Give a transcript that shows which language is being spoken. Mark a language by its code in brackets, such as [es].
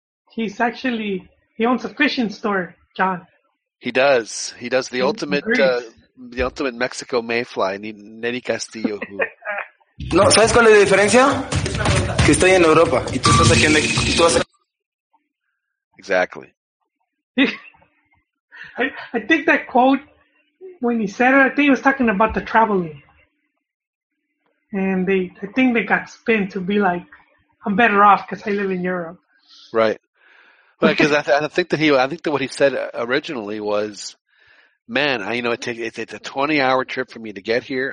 [en] He's actually, he owns a fishing store, John. He does. He does the ultimate Mexico Mayfly, Neri Castillo. Who... [es] No, ¿sabes cuál es la diferencia? Que estoy en Europa y tú estás aquí en México. Y tú vas a... [en] Exactly. I think that quote, when he said it, I think he was talking about the traveling. And I think they got spin to be like, I'm better off because I live in Europe. Right. Because I think that what he said originally was, man, it's a 20-hour trip for me to get here.